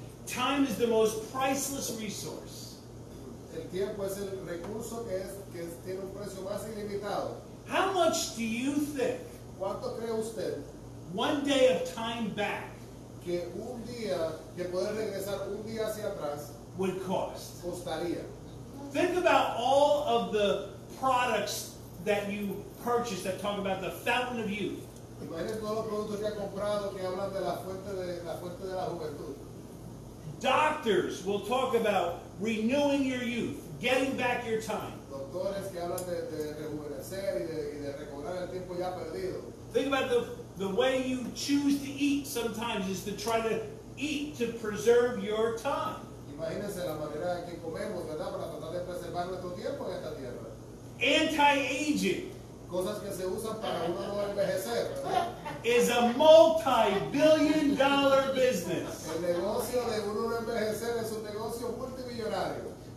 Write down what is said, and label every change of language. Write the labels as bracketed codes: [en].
[en] Time is the most priceless resource. [es] El tiempo es el recurso que tiene un precio más ilimitado. [en] How much do you think? [es] ¿Cuánto cree usted? [en] One day of time back. [es] Que un día, que poder regresar un día hacia atrás. [en] Would cost. [es] Costaría. [en] Think about all of the products that you purchased that talk about the fountain of youth. [es] Imagínense todos los productos que ha comprado que hablan de la fuente de la juventud. [en] Doctors will talk about renewing your youth, getting back your time. [es] Doctores que hablan de rejuvenecer y de recobrar el tiempo ya perdido. [en] Think about the way you choose to eat sometimes is to try to eat to preserve your time. [es] Imagínense la manera en que comemos, ¿verdad? Para tratar de preservar nuestro tiempo en esta tierra. [en] Anti-aging. [es] Cosas que se usan para uno no envejecer, [en] is a multi-billion dollar business. [es] El negocio de uno no envejecer es un negocio multimillonario.